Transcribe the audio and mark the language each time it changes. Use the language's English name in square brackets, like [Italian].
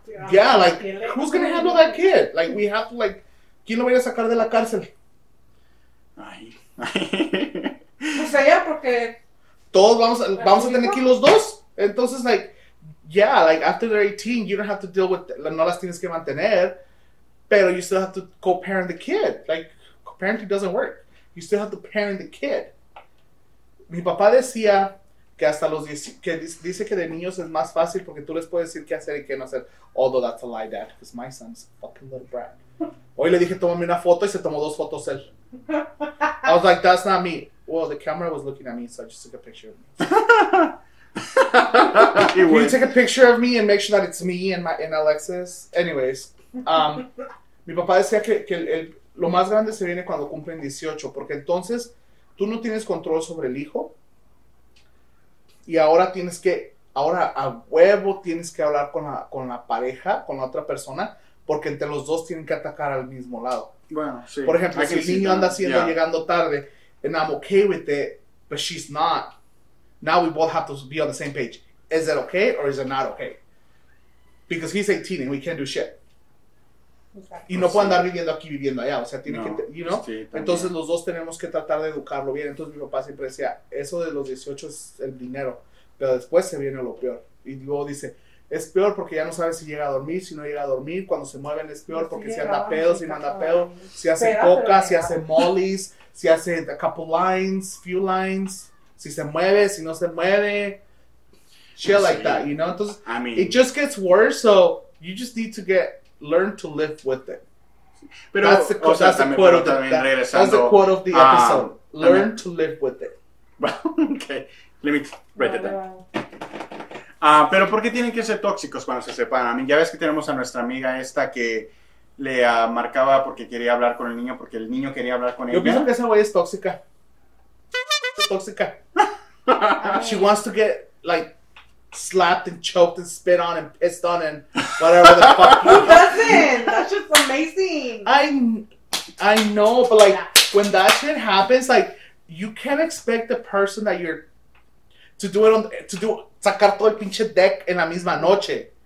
[English] Yeah, like, who's going to handle that kid? Like, we have to, like, [Spanish] ¿quién lo va a sacar de la cárcel? Ay. Pues allá, porque... Todos vamos a tener aquí los dos. [English] Entonces, like, yeah, like, after they're 18, you don't have to deal with, [Spanish] no las tienes que mantener. Pero [English] you still have to co-parent the kid. Like, co-parenting doesn't work. You still have to parent the kid. [Spanish] Mi papá decía que hasta los 18, que dice que de niños es más fácil porque tú les puedes decir qué hacer y qué no hacer. [English] Although that's a lie, Dad. Because my son's a fucking little brat. [Spanish] Hoy le dije, tómame una foto y se tomó dos fotos él. [English] I was like, that's not me. Well, the camera was looking at me, so I just took a picture of me. Can you take a picture of me and make sure that it's me and Alexis? Anyways. [Spanish] Mi papá decía que lo más grande se viene cuando cumplen 18, porque entonces tú no tienes control sobre el hijo y ahora tienes que, ahora a huevo tienes que hablar con la pareja, con la otra persona, porque entre los dos tienen que atacar al mismo lado. Bueno, sí. Por ejemplo, si el niño anda haciendo, llegando tarde, [English] and I'm okay with it, but she's not. Now we both have to be on the same page. Is that okay or is it not okay? Because he's 18 and we can't do shit. [Spanish] Exacto. Y no puede andar viviendo aquí, viviendo allá. O sea, tiene entonces los dos tenemos que tratar de educarlo bien. Entonces mi papá siempre decía, eso de los 18 es el dinero, pero después se viene lo peor. Y luego dice, es peor porque ya no sabe si llega a dormir, si no llega a dormir, cuando se mueven es peor porque si anda pedo, si no anda pedo, si hace coca, si hace mollies, si hace [English] a couple lines, few lines, [Spanish] si se mueve, si no se mueve, [English] shit like that, you know? [Spanish] Entonces, [English] I mean, it just gets worse, so you just need to get, learn to live with it. [Spanish] Pero, [English] that's the, [Spanish] o sea, [English] that's [Spanish] también, [English] quote of the, that, that's the quote of the episode. Learn to live with it. Okay, let me write that down. [Spanish] Pero ¿por qué tienen que ser tóxicos cuando se separan? [English] I mean, [Spanish] ya ves que tenemos a nuestra amiga esta que le marcaba porque quería hablar con el niño, porque el niño quería hablar con ella. Yo pienso que esa güey es tóxica. Tóxica. [English] She wants to get, like, slapped and choked and spit on and pissed on and whatever the fuck. Who doesn't? That's just amazing. I know, but, like, when that shit happens, like, you can't expect the person that you're to do it on, to do, [Spanish] sacar todo el pinche deck en la misma noche.